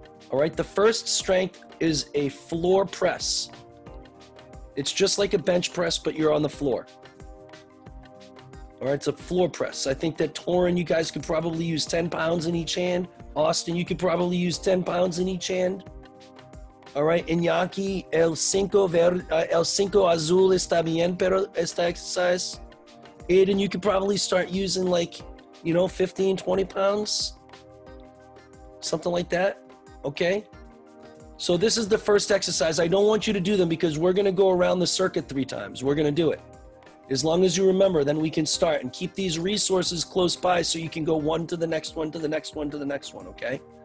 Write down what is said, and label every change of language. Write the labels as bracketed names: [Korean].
[English] All right, the first strength is a floor press. It's just like a bench press, but you're on the floor. All right, it's a floor press. I think that Torin, you guys could probably use 10 pounds in each hand. Austin, you could probably use 10 pounds in each hand. [Spanish] All right, Iñaki, el cinco azul está bien, pero esta exercise. [English] Aiden, you could probably start using like, 15, 20 pounds, something like that, okay? So this is the first exercise. I don't want you to do them because we're gonna go around the circuit 3 times. We're gonna do it. As long as you remember, then we can start and keep these resources close by so you can go one to the next one, to the next one, to the next one, okay?